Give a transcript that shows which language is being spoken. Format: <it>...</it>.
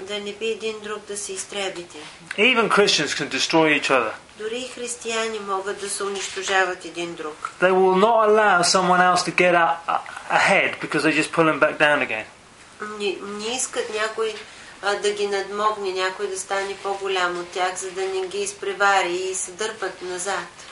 <bg>Да не би един друг да се изтребите.</bg> <en>Even Christians can destroy each other.</en> <bg>Дори християни могат да се унищожават един друг.</bg> <en>They will not allow someone else to get ahead because they just pull them back down again.</en> <bg>Не искат някой да ги надмогне, някой да стане по-голям от тях, за да не ги изпревари и се дърпат назад.</bg>